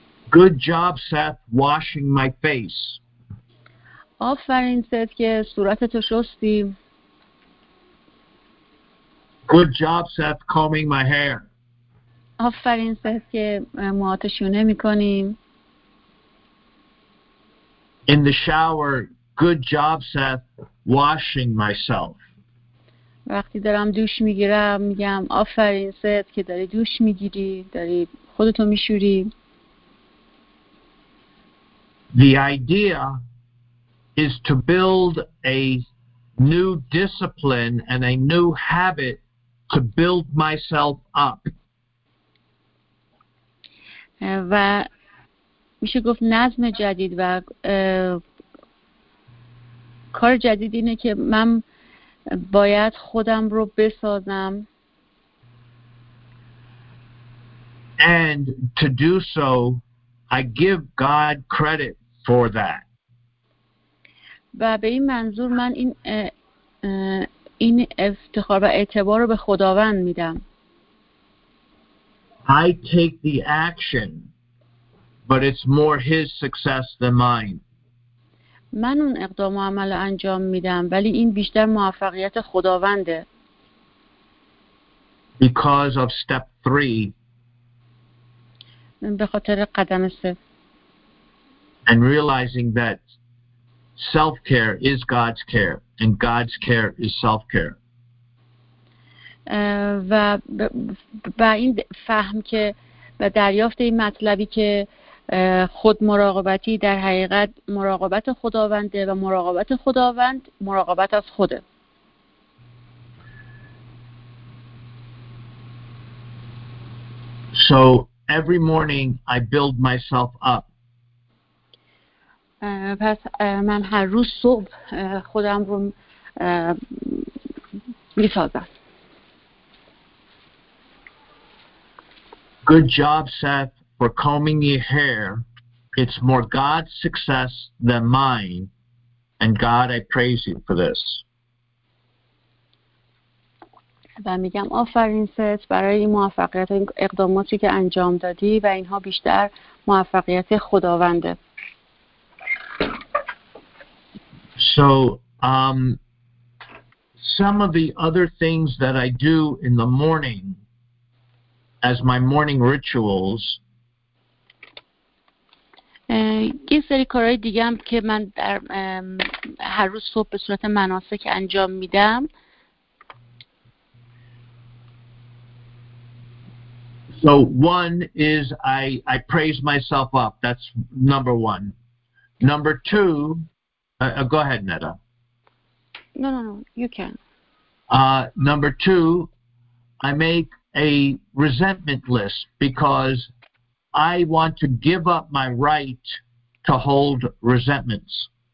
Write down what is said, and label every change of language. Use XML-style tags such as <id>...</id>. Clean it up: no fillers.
<en>Good job Seth washing my face.</en> <fa>آفرین ست که صورتتو شستی.</fa> <en>Good job Seth combing my hair.</en> <fa>آفرین سس که موهات شونه میکنیم.</fa> <en>In the shower, good job, Seth, washing myself.</en> <fa>وقتی دارم دوش میگیرم میگم آفرین سس که داری دوش میگیری، داری خودتو میشوری.</fa> <en>The idea is to build a new discipline and a new habit to build myself up.</en> <fa>و میشه گفت نظم جدید و کار جدید اینه که من باید خودم رو بسازم.</fa> <en>And to do so, I give God credit for that.</en> <fa>و به این منظور من این این افتخار و اعتبار رو به خداوند میدم.</fa> <en>I take the action, but it's more his success than mine.</en> <fa>من اون اقدام و عمل انجام میدم ولی این بیشتر موفقیت خداونده.</fa> <en>Because of step 3.</en> <fa>به خاطر قدم 3.</fa> <en>And realizing that self-care is God's care and God's care is self-care.</en> <fa>و با این فهم که و دریافت این مطلبی که خود مراقبتی در حقیقت مراقبت خداونده و مراقبت خداوند مراقبت از خوده.</fa> <en>So every morning I build myself up.</en> <fa>پس من هر روز صبح خودم رو می‌سازم.</fa> <en>Good job, Seth, for combing your hair. It's more God's success than mine. And God, I praise you for this.</en> <fa>و میگم آفرین سس برای این موفقیت این اقداماتی که انجام دادی و اینها بیشتر موفقیت خداونده.</fa> <en>So, some of the other things that I do in the morning as my morning rituals.</en> <fa>یه سری کارهای دیگه هم که من در هر روز صبح به صورت مناسک انجام میدم.</fa> <en>So one is I praise myself up. That's number one. Number two, go ahead, Netta. No, you can. Number two, I make a resentment list because I want to give up my right to hold resentments.</en>